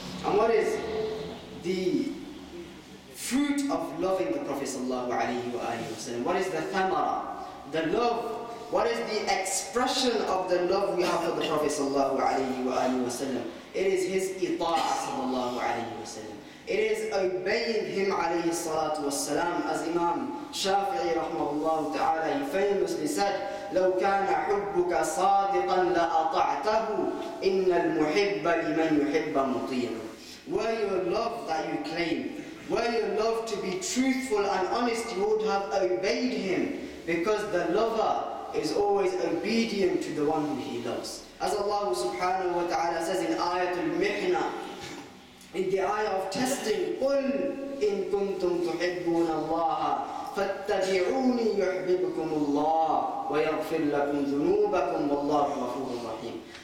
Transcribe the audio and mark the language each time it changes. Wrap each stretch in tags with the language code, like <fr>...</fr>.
<en>And what is the fruit of loving the Prophet sallallahu alayhi wa alayhi wa sallam? What is the thamara, the love? What is the expression of the love we have for the Prophet sallallahu alayhi wa alayhi wa sallam? It is his ita'a sallallahu alayhi wa sallam. It is obeying him alayhi salatu wa salam. As Imam Shafi'i rahmahullah ta'ala, he famously said,</en> <ar>لَوْ كَانَ حُبُّكَ صَادِقًا لَأَطَعْتَهُ إِنَّ الْمُحِبَّ لِمَنْ يُحِبَّ مُطِيعًا.</ar> <en>Where your love that you claim, were your love to be truthful and honest, you would have obeyed him, because the lover is always obedient to the one who he loves. As Allah subhanahu wa ta'ala says in Ayatul Mihna, in the ayah of testing,</en> <ar>قُلْ إِن كُنْتُمْ تُحِبُّونَ اللَّهَ فَاتَّبِعُونِي يُحْبِبُكُمُ اللَّهُ وَيَغْفِرْ لَكُمْ ذُنُوبَكُمْ وَاللَّهُ غَفُورٌ رَحِيمٌ.</ar>